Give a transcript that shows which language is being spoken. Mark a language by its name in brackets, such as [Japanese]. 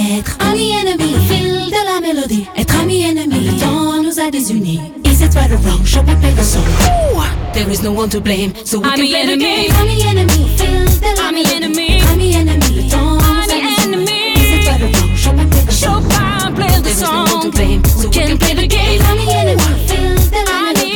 [French] Être ami ennemi au fil de la mélodie. Être ami ennemi, le temps nous a désunis. Et c'est toi le vent, chante avec le son. [English] There is no one to blame, so we can play the game. [French] Être ami ennemi au fil de la mélodie. Ami ennemi, le temps nous a désunis. Ami ennemi, chante avec le son. [English] There is no one to blame, so we can play the game. [French] Être ami ennemi au fil de la mélodie.